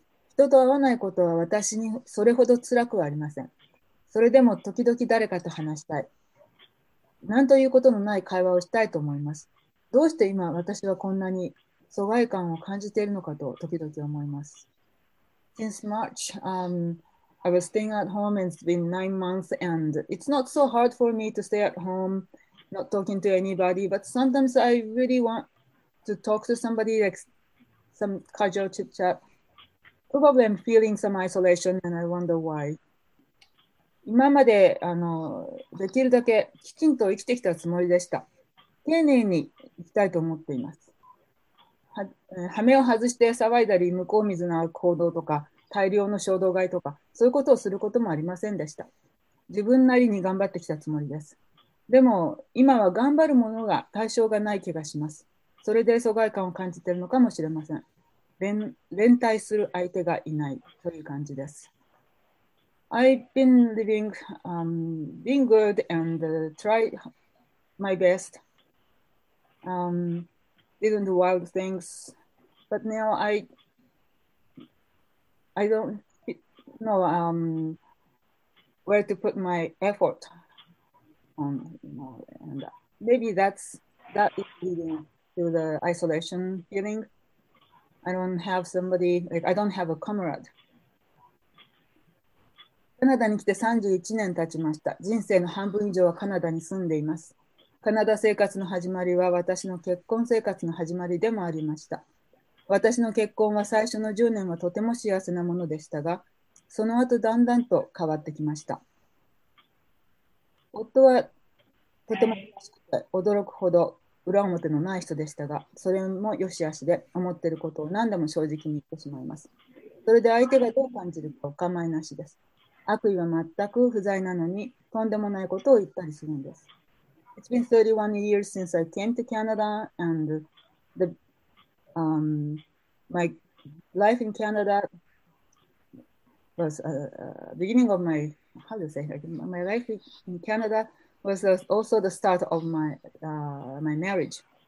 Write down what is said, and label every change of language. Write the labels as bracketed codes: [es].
[ja] 人と会わないことは私にそれほど辛くはありません。それでも時々誰かと話したい、何ということのない会話をしたいと思います。どうして今私はこんなに疎外感を感じているのかと時々思います。 [en] Since March, I was staying at home and it's been 9 months, and it's not so hard for me to stay at home, not talking to anybody, but sometimes I really want to talk to somebody, like some casual chit chat. Probably I'm feeling some isolation and I wonder why. [ja] 今まで、できるだけきちんと生きてきたつもりでした。丁寧に生きたいと思っています。羽目を外して騒いだり、向こう見ずな行動とか、大量の衝動買いとか、そういうことをすることもありませんでした。自分なりに頑張ってきたつもりです。でも、今は頑張るものが対象がない気がします。それで疎外感を感じているのかもしれません。連帯する相手がいないという感じです。 [en] I've been living, being good and try my best. Didn't do wild things, but now I don't know where to put my effort on, and maybe that is leading to the isolation feeling. I don't have somebody, like I don't have a comrade. [ja] カナダに来て31年経ちました。人生の半分以上はカナダに住んでいます。カナダ生活の始まりは私の結婚生活の始まりでもありました。私の結婚は最初の10年はとても幸せなものでしたが、その後だんだんと変わってきました。夫はとても優しくて驚くほど裏表のない人でしたが、それも良し悪しで思っていることを何でも正直に言ってしまいます。それで相手がどう感じるかお構いなしです。悪意は全く不在なのに、とんでもないことを言ったりするんです。 [en] It's been 31 years since I came to Canada and the my life in Canada was beginning of my, how do you say, my life in Canada was also the start of my marriage.